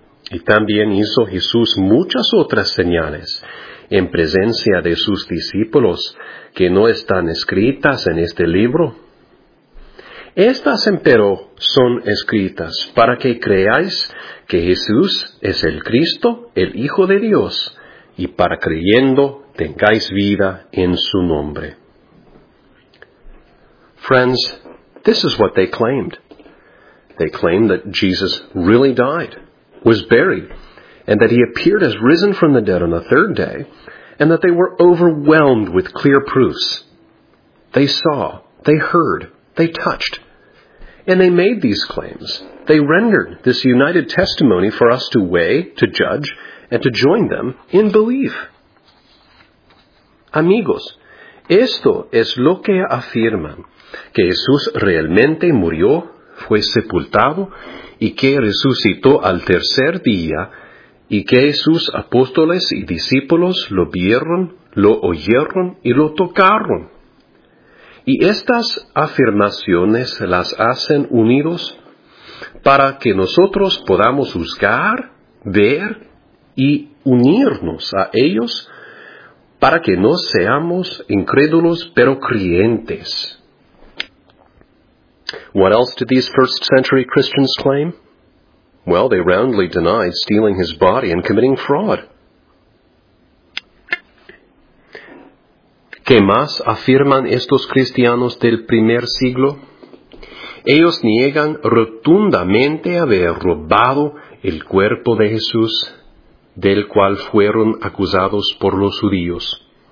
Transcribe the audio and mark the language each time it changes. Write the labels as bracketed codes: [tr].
[es] Y también hizo Jesús muchas otras señales en presencia de sus discípulos que no están escritas en este libro. Estas, empero, son escritas para que creáis que Jesús es el Cristo, el Hijo de Dios, y para creyendo tengáis vida en su nombre. [en] Friends, this is what they claimed. They claim that Jesus really died, was buried, and that he appeared as risen from the dead on the third day, and that they were overwhelmed with clear proofs. They saw, they heard, they touched, and they made these claims. They rendered this united testimony for us to weigh, to judge, and to join them in belief. [es] Amigos, esto es lo que afirman, que Jesús realmente murió, fue sepultado, y que resucitó al tercer día, y que sus apóstoles y discípulos lo vieron, lo oyeron y lo tocaron. Y estas afirmaciones las hacen unidos para que nosotros podamos juzgar, ver y unirnos a ellos para que no seamos incrédulos pero creyentes. [en] What else did these first century Christians claim? Well, they roundly denied stealing his body and committing fraud. [es] ¿Qué más afirman estos cristianos del primer siglo? Ellos niegan rotundamente haber robado el cuerpo de Jesús, del cual fueron acusados por los judíos.